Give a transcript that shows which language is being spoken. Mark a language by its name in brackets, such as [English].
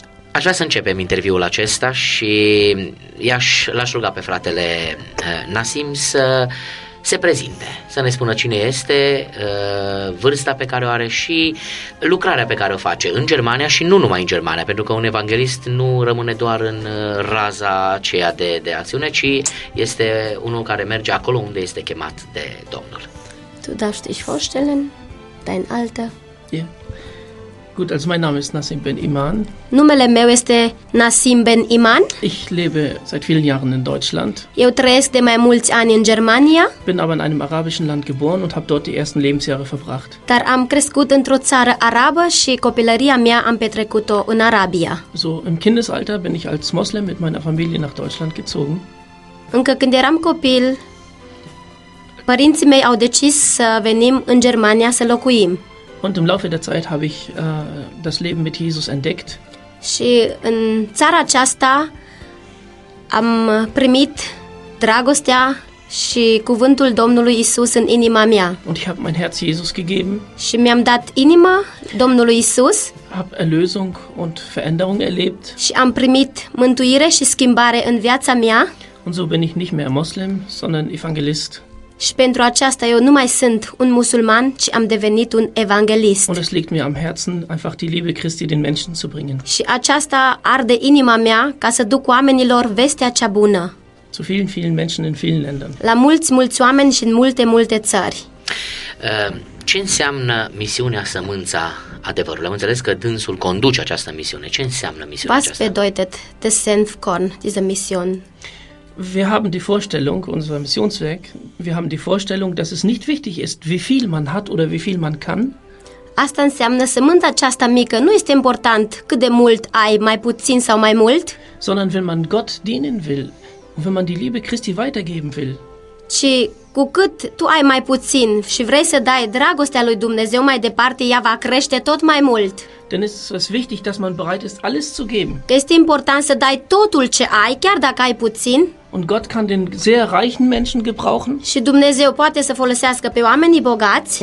[Romanian] Aș vrea să începem interviul acesta și l-aș ruga pe fratele Nassim să se prezinte, să ne spună cine este, vârsta pe care o are și lucrarea pe care o face în Germania și nu numai în Germania, pentru că un evanghelist nu rămâne doar în raza aceea de acțiune, ci este unul care merge acolo unde este chemat de Domnul. [German] Tu darfst dich vorstellen, dein Alter. Yeah. Gut, also mein Name ist Nassim Ben Iman. [Romanian] Numele meu este Nassim Ben Iman. [German] Ich lebe seit vielen Jahren in Deutschland. [Romanian] Eu trăiesc de mai mulți ani în Germania. [German] Bin aber in einem arabischen Land geboren und habe dort die ersten Lebensjahre verbracht. [Romanian] Dar am crescut într-o țară arabă și copilăria mea am petrecut-o în Arabia. [German] So, im Kindesalter bin ich als Moslem mit meiner Familie nach Deutschland gezogen. [Romanian] Încă când eram copil, părinții mei au decis să venim în Germania să locuim. [German] Und im Laufe der Zeit habe ich das Leben mit Jesus entdeckt. [Romanian] Și în țara aceasta am primit dragostea și cuvântul Domnului Isus în inima mea. [German] Und ich habe mein Herz Jesus gegeben. [Romanian] Și mi-am dat inima Domnului Isus. [German] Hab Erlösung und Veränderung erlebt. [Romanian] Și am primit mântuire și schimbare în viața mea. [German] Und so bin ich nicht mehr Muslim, sondern Evangelist. [Romanian] Și pentru aceasta eu nu mai sunt un musulman, ci am devenit un evanghelist. [German] Und es liegt mir am Herzen, einfach die Liebe Christi den Menschen zu bringen. [Romanian] Și aceasta arde inima mea ca să duc oamenilor vestea cea bună. [German] Zu vielen, vielen Menschen in vielen Ländern. [Romanian] La mulți, mulți oameni și în multe, multe țări. Ce înseamnă misiunea Sămânța Adevărului? Am înțeles că dânsul conduce această misiune. Ce înseamnă misiunea aceasta? [German] Was bedeutet das Senfkorn, diese Mission? Wir haben die Vorstellung, unser Missionswerk, wir haben die Vorstellung, dass es nicht wichtig ist, wie viel man hat oder wie viel man kann. [Romanian] Asta înseamnă sămânța aceasta mică, nu este important cât de mult ai, mai puțin sau mai mult. [German] Sondern wenn man Gott dienen will, wenn man die Liebe Christi weitergeben will. [Romanian] Ci cu cât tu ai mai puțin și vrei să dai dragostea lui Dumnezeu mai departe, ea va crește tot mai mult. [German] Denn es ist wichtig, dass man bereit ist, alles zu geben. [Romanian] Este important să dai totul ce ai, chiar dacă ai puțin. [German] Und Gott kann den sehr reichen Menschen gebrauchen. [Romanian] Și Dumnezeu poate să folosească pe oamenii bogați.